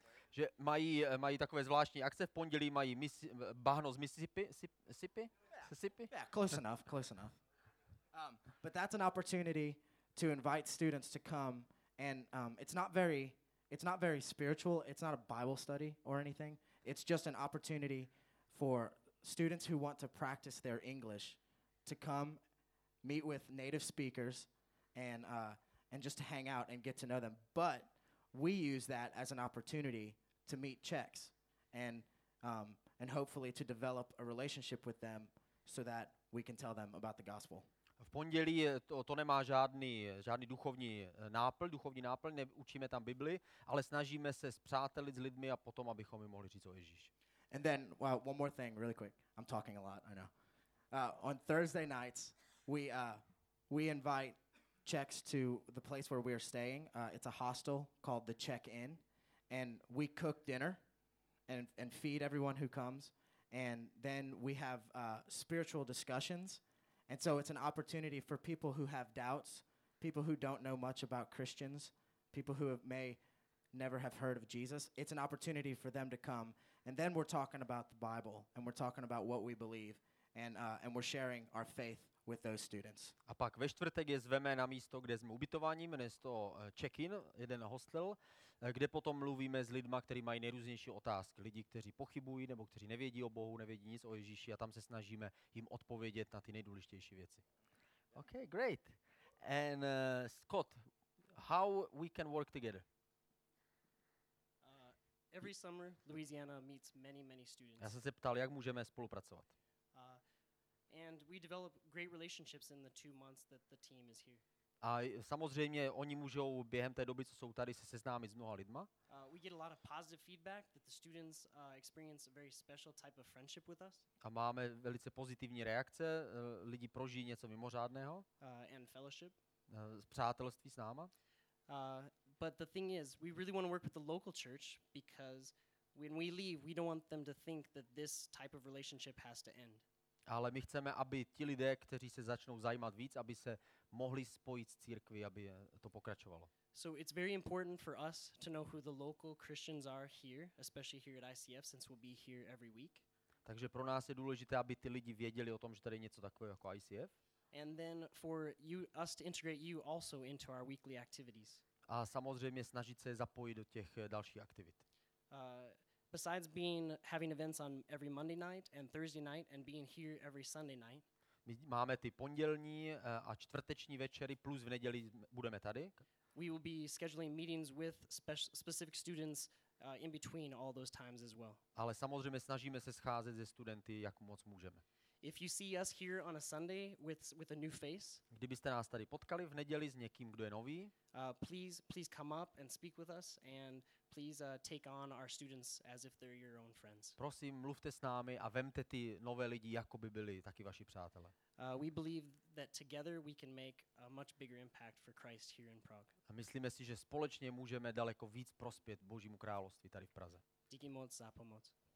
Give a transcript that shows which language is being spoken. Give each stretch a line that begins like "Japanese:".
Czech: Že mají takové zvláštní akce v pondělí, mají bahno z Mississippi. Mississippi?
English: Yeah, close enough, close enough. But that's an opportunity to invite students to come, and it's not very spiritual. It's not a Bible study or anything. It's just an opportunity for students who want to practice their English to come, meet with native speakers, and just to hang out and get to know them. But we use that as an opportunity to meet Czechs, and hopefully to develop a relationship with them so that we can tell them about the gospel.
Czech: V pondělí to nemá žádný duchovní náplň, neučíme tam Bibli, ale snažíme se spřátelit s lidmi a potom, abychom jim mohli říct o Ježíši.
English: And then, well, one more thing, really quick. I'm talking a lot, I know. On Thursday nights, we invite Czechs to the place where we are staying. It's a hostel called the Czech Inn. And we cook dinner and feed everyone who comes. And then we have spiritual discussions. And so it's an opportunity for people who have doubts, people who don't know much about Christians, people who may never have heard of Jesus. It's an opportunity for them to come. And then we're talking about the Bible, and we're talking about what we believe, and we're sharing our faith with those students.
Czech: A pak ve čtvrtek je zveme na místo, kde jsme ubytováni, jmenuje se to check-in, jeden hostel, kde potom mluvíme s lidma, kteří mají nejrůznější otázky. Lidi, kteří pochybují, nebo kteří nevědí o Bohu, nevědí nic o Ježíši, a tam se snažíme jim odpovědět na ty nejdůležitější věci.
English: Okay, great. And Scott, how we can work together? Every summer, Louisiana meets many, many students.
Czech: Já jsem se ptal, jak můžeme spolupracovat.
English: And we develop great relationships in the 2 months that the team is here.
Czech: A samozřejmě oni můžou během té doby, co jsou tady, se seznámit s mnoha lidma.
English: We get a lot of positive feedback that the students experience a very special type of friendship with us.
Czech: A máme velice pozitivní reakce, lidi prožijí něco mimořádného.
English: And fellowship.
Czech: Přátelství s náma.
English: But the thing is, we really want to work with the local church because when we leave, we don't want them to think that this type of relationship has to end.
Czech: Ale my chceme, aby ti lidé, kteří se začnou zajímat víc, aby se mohli spojit s církví, aby to pokračovalo.
English: So it's very important for us to know who the local Christians are here, especially here at ICF, since we'll be here every week.
Czech: Takže pro nás je důležité, aby ty lidi věděli o tom, že tady je něco takového jako ICF.
English: And then for you, us to integrate you also into our weekly activities.
Czech: A samozřejmě snažit se zapojit do těch dalších aktivit.
English: Besides being having events on every Monday night and Thursday night and being here every Sunday night.
Czech: My máme ty pondělní a čtvrteční večery plus v neděli budeme tady.
English: We will be scheduling meetings with specific students in between all those times as well.
Czech: Ale samozřejmě snažíme se scházet se studenty jak moc můžeme.
English: If you see us here on a Sunday with a new face.
Czech: Kdybyste nás tady potkali v neděli s někým, kdo je nový.
English: Please come up and speak with us and please take on our students as if they're your own friends.
Czech: Prosím, mluvte s námi a vemte ty nové lidi, jako by byli taky vaši přátelé.
English: We believe that together we can make a much bigger impact for Christ here in Prague.
Czech: A myslíme si, že společně můžeme daleko víc prospět Božímu království tady v Praze. Díky moc za pomoc.